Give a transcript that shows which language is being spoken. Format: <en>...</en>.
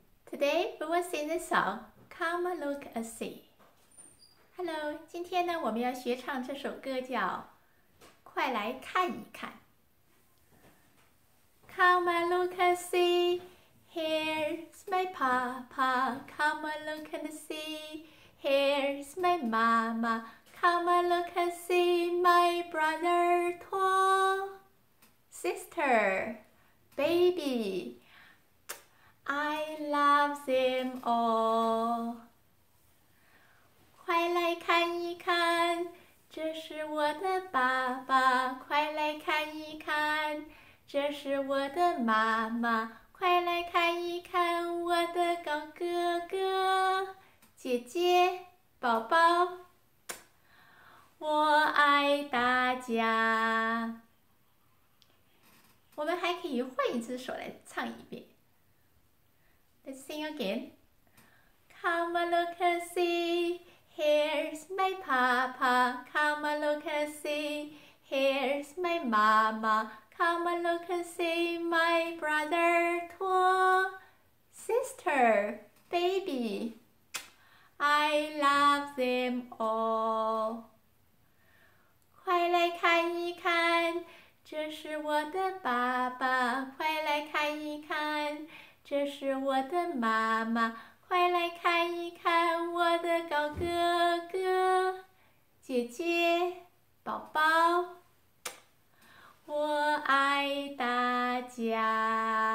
<en>Today we will sing the song Come Look and See.</en> <zh>Hello, 今天呢我们要学唱这首歌叫快来看一看。</zh> <en>Come and look and see, here's my papa. Come and look and see, here's my mama. Come and look and see, my brother, tall sister, baby. I love them all.</en> <zh>快来看一看，这是我的爸爸。快来看一看，这是我的妈妈。快来看一看，我的高哥哥、姐姐、宝宝。我爱大家。我们还可以换一只手来唱一遍。</zh> <en>Let's sing again. Come and look and see, here's my papa. Come and look and see, here's my mama. Come and look and see, my brother, tall sister, baby. I love them all.</en> <zh>快来看一看，这是我的爸爸。快来看一看。这是我的妈妈，快来看一看我的高哥哥、姐姐、宝宝，我爱大家。</zh>